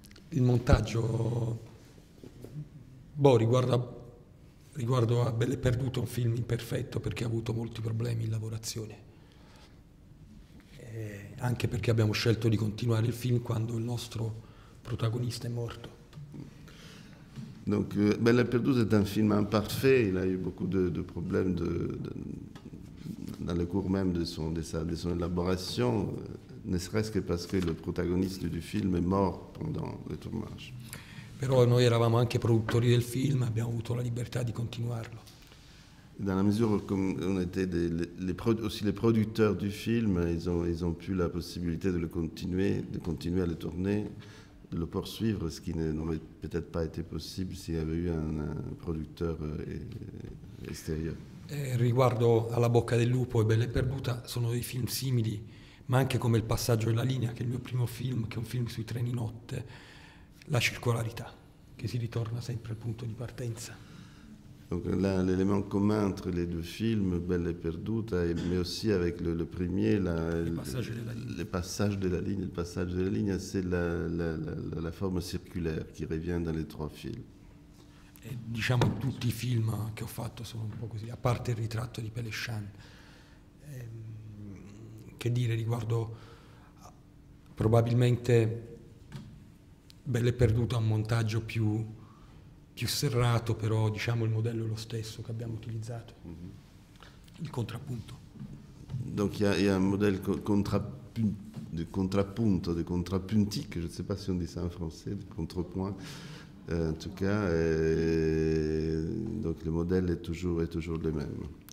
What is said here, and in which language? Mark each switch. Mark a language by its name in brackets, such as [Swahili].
[Italian] Il montaggio riguardo a Belle Perdute, un film imperfetto perché ha avuto molti problemi in lavorazione, anche perché abbiamo scelto di continuare il film quando il nostro protagonista è morto. [French] Donc Belle Perdute è un film imparfait, il a eu beaucoup de problèmes dans le cours même de son élaboration, ne serait-ce que parce que le protagoniste du film est mort pendant le tournage. [Italian] Però noi eravamo anche produttori del film, abbiamo avuto la libertà di continuarlo. [French] Dans la mesure où on était les producteurs du film, ils ont pu la possibilité de le continuer, à le tourner, de le poursuivre, ce qui n'aurait peut-être pas été possible s'il y avait eu un producteur extérieur. [Italian] Riguardo alla Bocca del Lupo e Belle Perduta, sono dei film simili, ma anche come Il Passaggio della Linea, che è il mio primo film, che è un film sui treni notte, la circolarità, che si ritorna sempre al punto di partenza. [French] Donc là, l'élément commun entre les deux films, Belle et Perduta, mais aussi avec le premier, le passage de la ligne, c'est la forme circulaire qui revient dans les trois films. [Italian] Et, diciamo, tutti i film che ho fatto sono un po' così, a parte Il Ritratto di Pélechan. Che dire riguardo, probabilmente Belle e Perduta ha un montaggio più serrato, però diciamo il modello è lo stesso che abbiamo utilizzato, il contrappunto. [French] Donc il y a un modello contrappunto, de contrappuntique, je ne sais pas si on dit ça en français, de contrepoint. En tout cas, donc le modello è toujours le même.